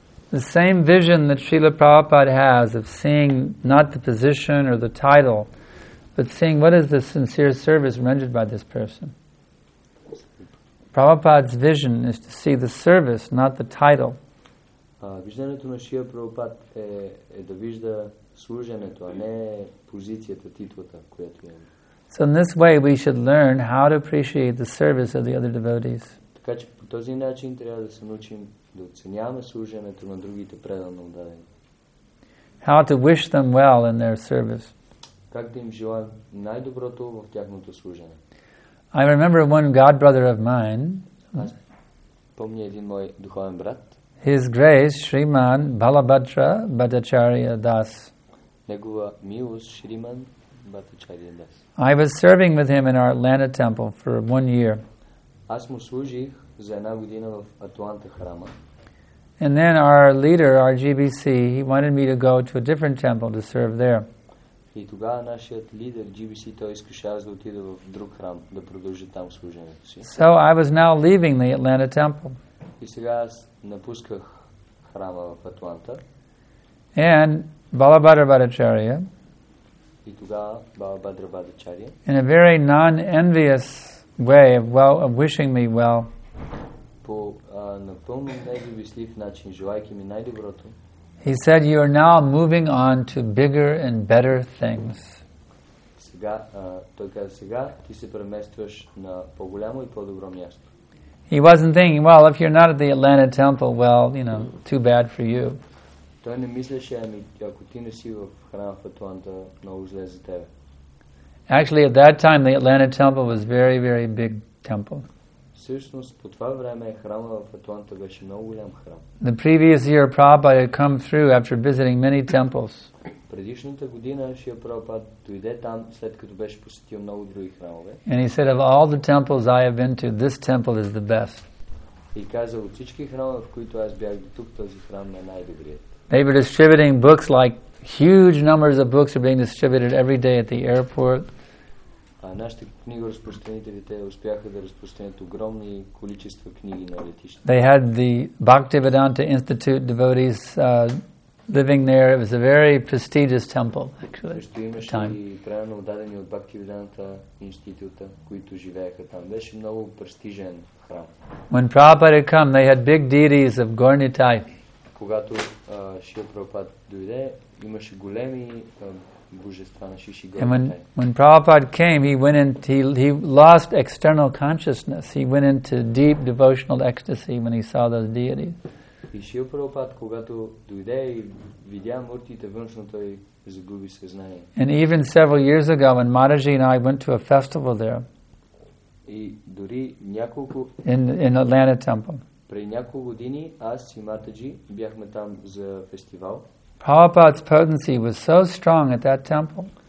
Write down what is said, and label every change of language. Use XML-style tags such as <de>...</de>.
<en>The same vision that Srila Prabhupada has of seeing not the position or the title, but seeing what is the sincere service rendered by this person. Prabhupada's vision is to see the service, not the title.</en> <bg>Виждането на Шрила Прабхупада е да вижда служенето, а не позицията, титлата, която имаме.</bg> <en>So in this way we should learn how to appreciate the service of the other devotees.</en> <bg>Така че по този начин трябва да се научим да оценяваме служенето на другите предано отдадени.</bg> <en>How to wish them well in their service.</en> <bg>Как да им желаем най-доброто в тяхното служене.</bg> <en>I remember one godbrother of mine.</en> <bg>Помня един мой духовен брат.</bg> <en>His Grace Sriman Balabhadra Bhattacharya Das.</en> <bg>Негова милост Шриман Бхатачария Дас.</bg> <en>I was serving with him in our Atlanta temple for 1 year.</en> <bg>Аз му служих за една година в Атланта храма.</bg> <en>And then our leader, our GBC, he wanted me to go to a different temple to serve there.</en> <bg>И тогава нашият лидер GBC той искаше аз да отида в друг храм да продължа там служението си.</bg> <en>So I was now leaving the Atlanta temple.</en> <bg>И сега аз напусках храма в Атланта.</bg> <en>And Balabhadra Bhattacharya,</en> <bg>и тогава Балабхадра Бхаттачария,</bg> <en>in a very non-envious way of wishing me well,</en> <bg>по напълно невивислив начин, желайки ми най-доброто,</bg> <en>he said, "You are now moving on to bigger and better things."</en> <bg>Се сега, той каза, сега ти се преместваш на по-голямо и по-добро място.</bg> <en>He wasn't thinking, well, if you're not at the Atlanta temple, well, you know, too bad for you.</en> <bg>Той не мислеше, ами, ако ти не си в храма в Атланта, много зле за тебе.</bg> <en>Actually, at that time, the Atlanta temple was very, very big temple.</en> <bg>Всъщност, по това време, храма в Атланта беше много голям храм.</bg> <en>The previous year, Prabhupada had come through after visiting many temples.</en> <bg>Предишната година Шрила Прабхупада дойде там, след като беше посетил много други храмове.</bg> <en>And he said, of all the temples I have been to, this temple is the best.</en> <bg>И каза, от всички храмове, в които аз бях до тук, този храм е най-добрият.</bg> <en>They were distributing books, like huge numbers of books are being distributed every day at the airport.</en> <bg>Нашите книгоразпространителите успяха да разпространят огромни количества книги на летището.</bg> <en>They had the Bhaktivedanta Institute devotees living there. It was a very prestigious temple, actually.</en> <bg>Имаше и правилно отдадени от Бхактивиданта института, които живееха там. Беше много престижен храм.</bg> <en>When Prabhupada had come, they had big deities of Gornitai.</en> <bg>Когато Шрила Прабхупада дойде, имаше големи божества на Шиши Горнитай.</bg> <en>And when Prabhupada came, he went into he lost external consciousness. He went into deep devotional ecstasy when he saw those deities.</en> <bg>И Шрила Прабхупада, когато дойде и видя муртите външно, той загуби съзнание.</bg> <en>And even several years ago, when Mataji and I went to a festival there,</en> <bg>и дори няколко in Atlanta temple. При няколко години аз и Матаджи бяхме там за фестивал.</bg> <en>Prabhupada's potency was so strong at that temple.</en>